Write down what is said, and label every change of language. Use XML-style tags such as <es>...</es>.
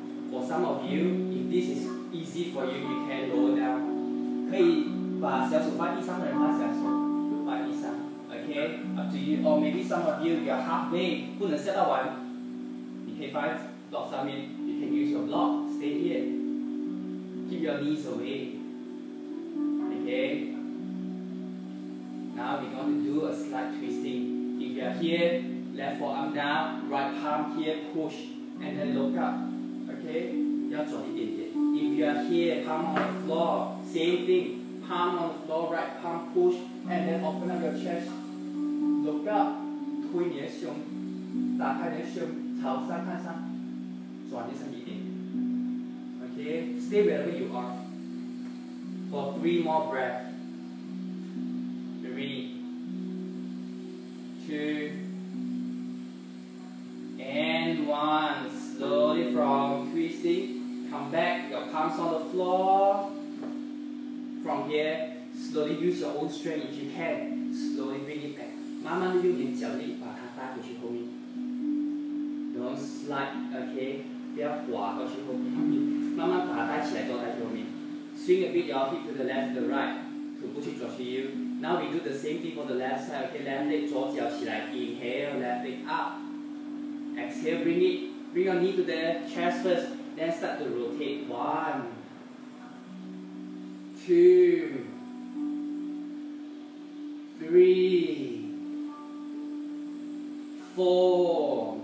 <en>For some of you, if this is easy for you, you can lower down.</en> <zh>可以把小手放地上的人放小手，放地上。</zh> <en>Okay, up to you. Or maybe some of you, you're halfway,</en> <zh>不能下到完。</zh> <en>If I block something, you can use your block. Stay here. Keep your knees away. Okay. Now we're going to do a slight twisting. If you are here, left forearm down, right palm here, push, and then look up.</en> <zh>Okay. 要转一点点.</zh> <en>If you are here, palm on the floor, same thing. Palm on the floor, right palm push, and then open up your chest. Look up.</en> <zh>推你的胸，打开你的胸。朝上看上，转的身体点。</zh> <en>Okay, stay wherever you are. For three more breath. Three, two, and one. Slowly from twisting, come back. Your palms on the floor. From here, slowly use your own strength if you can. Slowly bring it back.</en> <zh>慢慢的用你的脚力把它带回去后面。</zh> <en>Don't slide, okay?</en> <zh>不要滑过去后面，慢慢把它带起来，坐在后面。</zh> <en>Swing a bit your hip to the left, the right.</en> <zh>腿部去转去右。</zh> <en>Now we do the same thing for the left side, okay? Left leg,</en> <zh>左脚起来。</zh> <en>Inhale, left leg up. Exhale, bring your knee to the chest first. Then start to rotate. One, two, three, four.</en>